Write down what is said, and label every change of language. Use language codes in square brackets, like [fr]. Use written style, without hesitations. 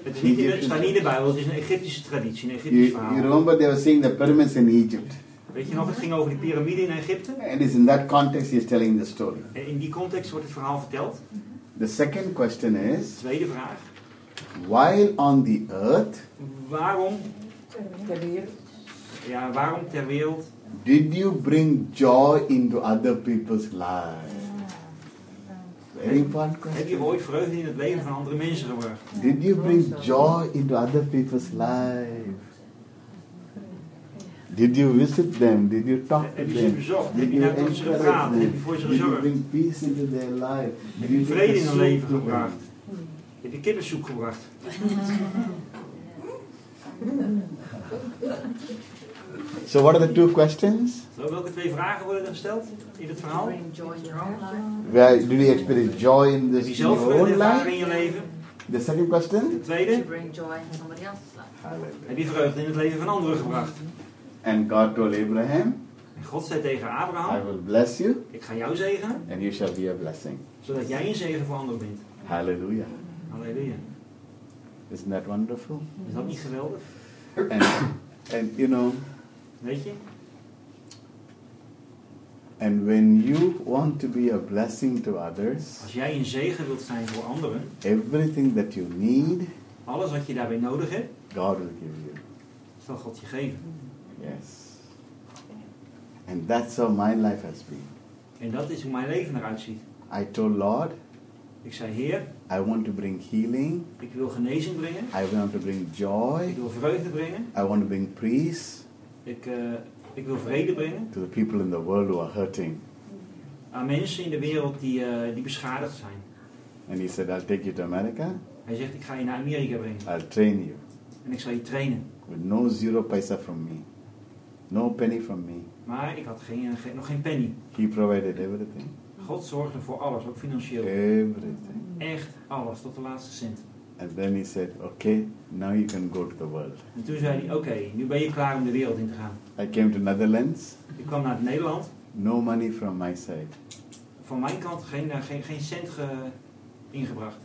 [nl] Het staat niet in de Bijbel, het is een Egyptische traditie, een Egyptische verhaal. [en] You remember they were seeing the pyramids in Egypt. [nl] Weet je nog, het ging over die piramide in Egypte. [en] And it's in that context he is telling the story. [nl] En in die context wordt het verhaal verteld. [en] The second question is. [nl] De tweede vraag. [en] While on the earth. [nl] Waarom? Ter wereld. Ja, waarom ter wereld? [en] Did you bring joy into other people's lives? Very important question. [nl] Heb je ooit vreugde in het leven van andere mensen gebracht? [en] Did you bring joy into other people's lives? Did you visit them? Did you talk to them? [nl] Heb je ze bezocht? Heb je naar ze gegaan? Heb je voor ze gezorgd? [en] Did you bring peace into their life? [nl] Heb je vrede in hun leven gebracht? Heb je kippensoep gebracht? [en] So what are the two questions? [nl] So welke twee vragen worden er gesteld in het verhaal? [en] Do you experience joy in this your own life? [nl] Heb je zelf in je leven? [en] The second question? [nl] De tweede? [en] Bring joy in somebody else's [nl] life. Heb je vreugde in het leven van anderen gebracht? [en] And God told Abraham. [nl] En God zei tegen Abraham. [en] I will bless you. [nl] Ik ga jou zegenen. [en] And you shall be a blessing. [nl] Zodat jij een zegen voor anderen bent. Hallelujah. Hallelujah. [en] Isn't that wonderful? [nl] Is dat niet geweldig? [en] And you know. [nl] Weet je? [en] And when you want to be a blessing to others, [nl] als jij een zegen wilt zijn voor anderen, [en] everything that you need, [nl] alles wat je daarbij nodig hebt, [en] God will give you. [nl] Zal God je geven. [en] Yes. And that's how my life has been. [nl] En dat is hoe mijn leven eruit ziet. [en] I told Lord. [nl] Ik zei Heer. [en] I want to bring healing. [nl] Ik wil genezing brengen. [en] I want to bring joy. [nl] Ik wil vreugde brengen. [en] I want to bring peace. [nl] Ik wil vrede brengen. [en] To the people in the world who are hurting. [nl] Aan mensen in de wereld die beschadigd zijn. [en] And he said, I'll take you to America. [nl] Hij zegt, ik ga je naar Amerika brengen. [en] I'll train you. [nl] En ik zal je trainen. [en] With no zero paisa from me. No penny from me. [nl] Maar ik had nog geen penny. [en] He provided everything. [nl] God zorgde voor alles, ook financieel. [en] Everything. [nl] Echt alles, tot de laatste cent. [en] And then he said, okay, now you can go to the world. [nl] En toen zei hij, okay, nu ben je klaar om de wereld in te gaan. [en] I came to Netherlands. [nl] Ik kwam naar het Nederland. [en] No money from my side. [nl] Van mijn kant geen cent ingebracht.